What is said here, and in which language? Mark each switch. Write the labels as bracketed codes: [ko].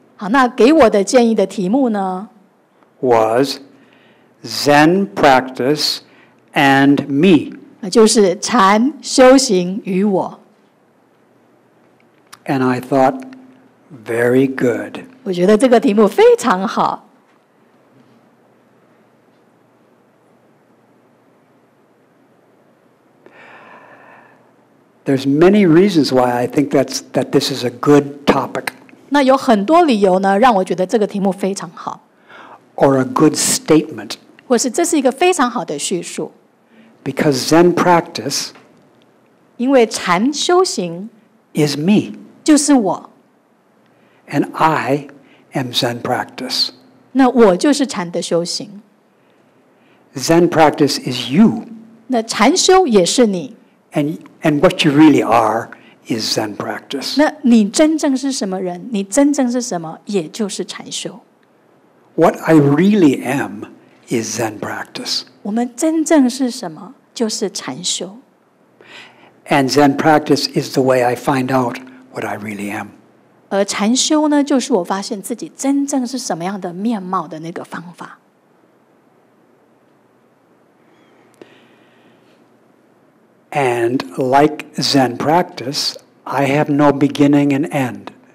[zh] 好，那给我的建议的题目呢？ [en] Was Zen practice and me. [zh] 就是禅修行与我。 [en] And I thought, very good. [zh] 我觉得这个题目非常好。 [en] There's many reasons why I think that this is a good topic. [zh] 那有很多理由呢，让我觉得这个题目非常好。 [en] Or a good statement. [zh] 或是这是一个非常好的叙述。 [en] Because Zen practice. [zh] 因为禅修行。 [en] Is me. [zh] 就是我。 [en] And I am Zen practice. [zh] 那我就是禅的修行。 [en] Zen practice is you. [zh] 那禅修也是你。 [en] And what you really are is Zen practice. [zh] 那你真正是什么人？你真正是什么？也就是禅修。 [en] What I really am is Zen practice. [zh] 我们真正是什么？就是禅修。 [en] And Zen practice is the way I find out what I really am. [zh] 而禅修呢，就是我发现自己真正是什么样的面貌的那个方法。 [en] And like Zen practice, I have no beginning and end.